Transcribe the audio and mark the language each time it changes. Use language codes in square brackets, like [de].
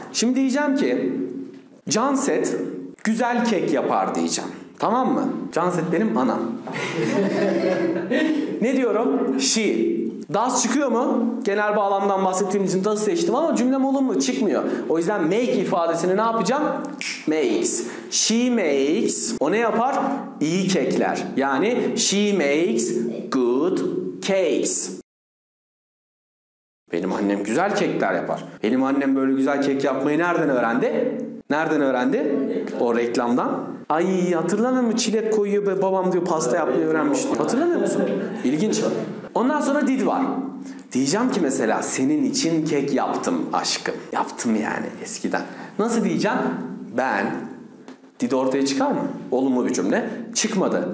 [tr] Şimdi diyeceğim ki Canset güzel kek yapar diyeceğim. Tamam mı? Canset benim anam. Ne diyorum? She. Does çıkıyor mu? Genel bağlamdan bahsettiğim için does seçtim ama cümlem olumlu çıkmıyor. O yüzden make ifadesini ne yapacağım? Makes. [en] She makes. [tr] O ne yapar? İyi kekler. [en] Yani she makes good cakes. [tr] Benim annem güzel kekler yapar. Benim annem böyle güzel kek yapmayı nereden öğrendi? Nereden öğrendi? O reklamdan. Ay hatırlamıyor musun? Çilek koyuyor ve babam diyor pasta yapmayı öğrenmişti. Hatırlamıyor musun? İlginç. Ondan sonra did var. Diyeceğim ki mesela senin için kek yaptım aşkım. Yaptım yani eskiden. Nasıl diyeceğim? Ben Did ortaya çıkar mı? Olumlu bir cümle. Çıkmadı.